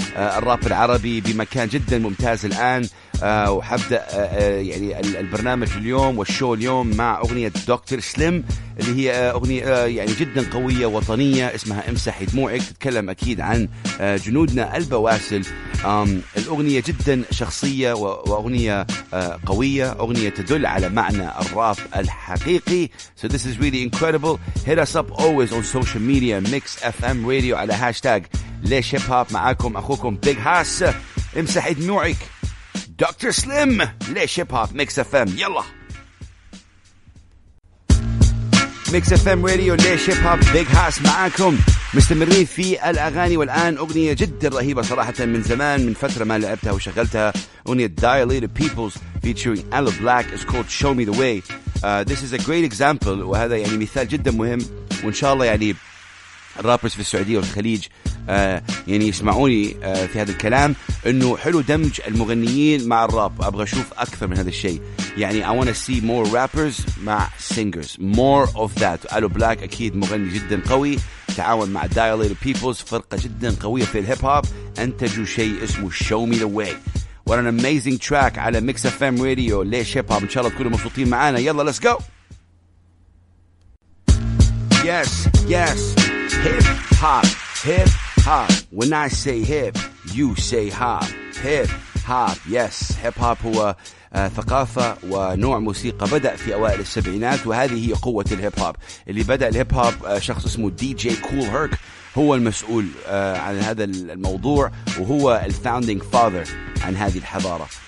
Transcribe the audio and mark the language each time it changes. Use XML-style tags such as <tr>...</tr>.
<ar>الراب العربي بمكان جدا ممتاز الآن، وحبدأ يعني البرنامج اليوم والشو اليوم مع أغنية دكتور سليم اللي هي أغنية يعني جدا قوية وطنية اسمها امسح دموعك، تتكلم أكيد عن جنودنا البواسل. الأغنية جدا شخصية وأغنية قوية، أغنية تدل على معنى الراب الحقيقي.</ar> <en>So this is really incredible. Hit us up always on social media, Mix FM Radio</en> <ar>على هاشتاج ليش هيب هوب. معاكم أخوكم بيج هاس، امسح دموعك دكتور سليم ليش هيب هوب ميكس اف ام. يلا ميكس اف ام راديو ليش هيب هوب بيج هاس معاكم، مستمرين في الاغاني. والان اغنيه جدا رهيبه صراحه، من زمان من فتره ما لعبتها وشغلتها، اغنيه دايليتد بيبلز فيتشرينج ال بلاك، از كولد شو مي ذا واي.</ar> <en>This is a great example،</en> <ar>وهذا يعني مثال جدا مهم، وان شاء الله يعني الرابرز في السعوديه والخليج يعني يسمعوني في هذا الكلام، انه حلو دمج المغنيين مع الراب. ابغى اشوف اكثر من هذا الشيء، يعني</ar> <en>I want to see more rappers مع singers, more of that.</en> <ar>الو بلاك اكيد مغني جدا قوي، تعاون مع دايليتد بيبلز فرقه جدا قويه في الهيب هوب، انتجوا شيء اسمه Show Me The Way.</ar> <en>What an amazing track</en> <ar>على Mix FM Radio ليش هيب هوب. ان شاء الله تكونوا مبسوطين معانا، يلا</ar> <en>let's go. Yes yes hip hop hip hop. When I say hip you say hop. Hip hop yes.</en> <ar>Hip hop هو ثقافة ونوع موسيقى بدأ في أوائل السبعينات، وهذه هي قوة الهيب هوب. اللي بدأ الهيب هوب شخص اسمه دي جي كول هيرك، هو المسؤول عن هذا الموضوع، وهو الفاوندينج فاذر عن هذه الحضارة.</ar>